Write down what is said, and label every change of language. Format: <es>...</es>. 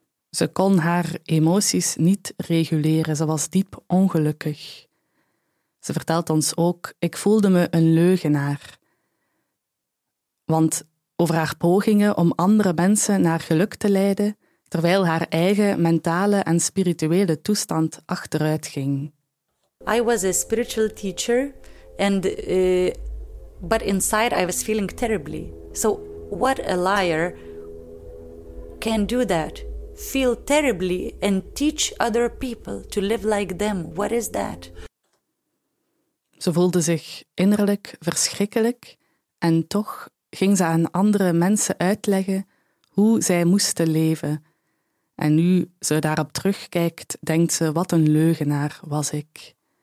<nl>Ze kon haar emoties niet reguleren. Ze was diep ongelukkig. Ze vertelt ons ook, ik voelde me een leugenaar. Want over haar pogingen om andere mensen naar geluk te leiden, terwijl haar eigen mentale en spirituele toestand achteruit ging.</nl> <en>I was a spiritual teacher, and but inside I was feeling terribly. So what a liar can do that? Feel terribly and teach other people to live like them. What is that?</en> <nl>Ze voelde zich innerlijk verschrikkelijk en toch ging ze aan andere mensen uitleggen hoe zij moesten leven. En nu ze daarop terugkijkt, denkt ze, wat een leugenaar was ik.</nl>